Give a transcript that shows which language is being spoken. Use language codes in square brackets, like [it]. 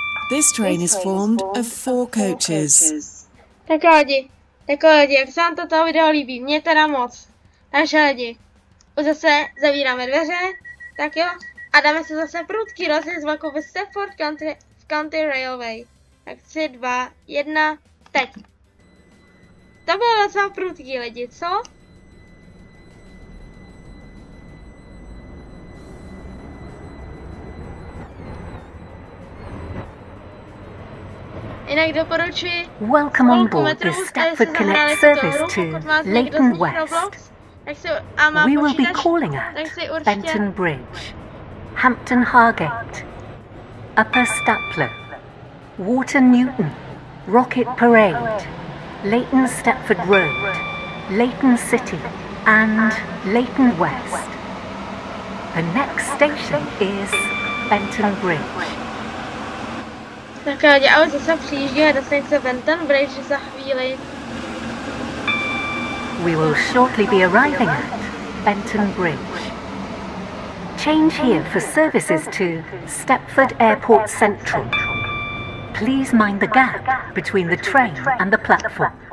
[en] This train is formed of four coaches. [cs] Tak lidi, jak se vám toto video líbí, mě teda moc. Takže lidi, už zase zavíráme dveře, tak jo, a dáme se zase prudký rozjezd jako ve Stepford County, v County Railway. Tak 3, 2, 1, teď. To bylo docela prudký lidi, co? Jinak doporučuji [en] Welcome on board the Stepford Connect service to Leighton West. We will be calling at Benton Bridge, Hampton Hargate, Upper Staplow, Water Newton, Rocket Parade, Leighton Stepford Road, Leighton City, and Leighton West. The next station is Benton Bridge. [cs] Tak jo, já už zase přijíždíme do stanice Benton Bridge za chvíli. [en] We will shortly be arriving at Benton Bridge. Change here for services to Stepford Airport Central. Please mind the gap between the train and the platform.